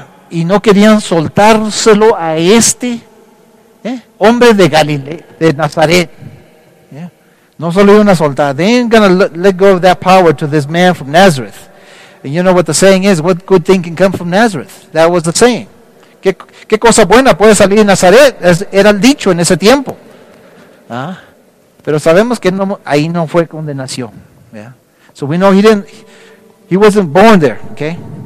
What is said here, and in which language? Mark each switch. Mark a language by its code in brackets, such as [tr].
[es] Y no querían soltárselo a este hombre de Galilea, de Nazaret. No solo una soltada. [en] They ain't gonna let go of that power to this man from Nazareth. And you know what the saying is, what good thing can come from Nazareth? That was the saying. [es] ¿Qué cosa buena puede salir de Nazaret? Era el dicho en ese tiempo. ¿Ah? Pero sabemos que no, ahí no fue donde nació. Yeah. [en] So we know he wasn't born there, okay?